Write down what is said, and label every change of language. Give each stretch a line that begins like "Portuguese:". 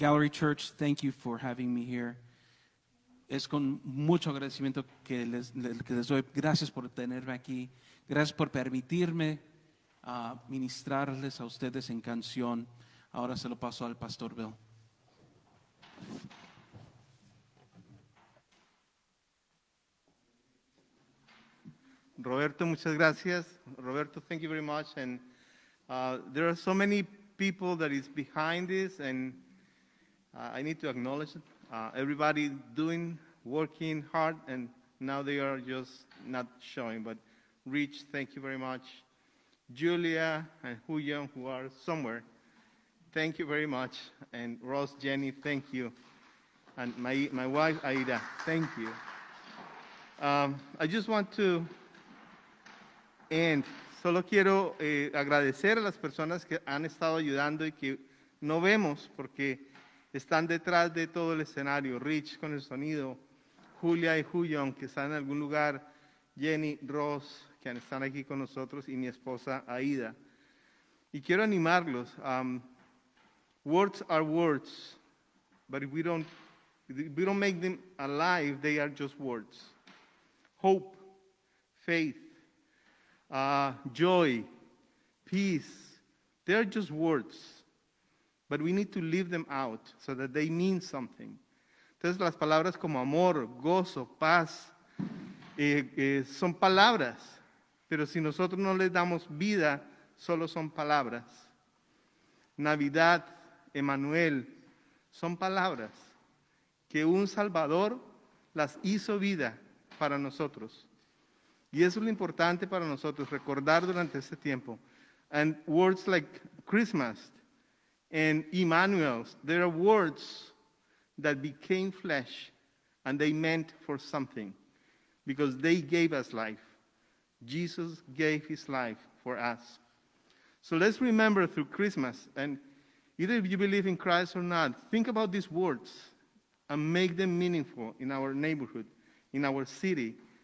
English: Church, thank you for having me here.
Spanish: Es con mucho agradecimiento que les doy. Gracias por tenerme aquí. Gracias por permitirme ministrarles a ustedes en canción. Ahora se lo paso al Pastor Bill. Roberto, muchas gracias.
English: Roberto, thank you very much. And there are so many people that is behind this, and I need to acknowledge it. Everybody doing, working hard, and now they are just not showing. But Rich, thank you very much. Julia and Huyang, who are somewhere, thank you very much. And Ross, Jenny, thank you. And my wife, Aida, thank you. I just want to end.
Spanish: Solo quiero agradecer a las personas que han estado ayudando y que no vemos porque están detrás de todo el escenario, Rich con el sonido, Julia y Huyon que están en algún lugar, Jenny, Ross, que están aquí con nosotros, y mi esposa Aida. Y quiero animarlos.
English: Words are words, but if we don't make them alive, they are just words. Hope, faith, joy, peace, they are just words. But we need to leave them out so that they mean something.
Spanish: Entonces, las palabras como amor, gozo, paz, son palabras. Pero si nosotros no les damos vida, solo son palabras. Navidad, Emmanuel, son palabras que un Salvador las hizo vida para nosotros. Y eso es lo importante para nosotros, recordar durante este tiempo.
English: And words like Christmas and Emmanuel, there are words that became flesh and they meant for something because they gave us life. Jesus gave his life for us. So let's remember through Christmas, and either you believe in Christ or not, think about these words and make them meaningful in our neighborhood, in our city.